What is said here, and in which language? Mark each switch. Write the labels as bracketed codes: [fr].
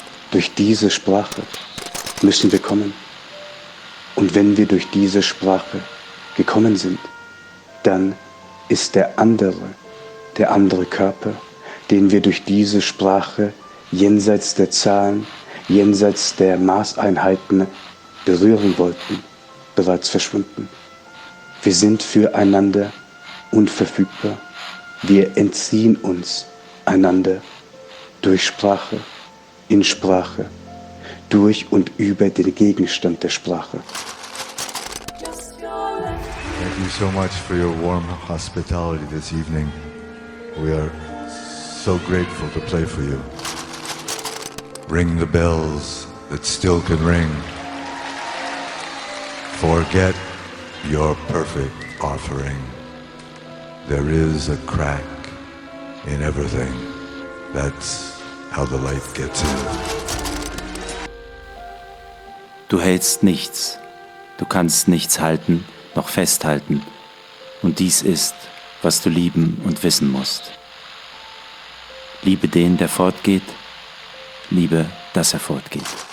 [de] Durch diese Sprache müssen wir kommen. Und wenn wir durch diese Sprache gekommen sind, dann ist der andere Körper, den wir durch diese Sprache jenseits der Zahlen, jenseits der Maßeinheiten berühren wollten, bereits verschwunden. Wir sind füreinander unverfügbar. Wir entziehen uns einander durch Sprache, in Sprache, durch und über den Gegenstand der Sprache. [en] Thank you so much for your warm hospitality this evening. We are so grateful to play for you. Ring the bells that still can ring. Forget you're perfect. offering. There is a crack in everything. That's how the light gets in. [de] Du hältst nichts. Du kannst nichts halten, noch festhalten. Und dies ist, was du lieben und wissen musst. Liebe den, der fortgeht. Liebe, dass er fortgeht.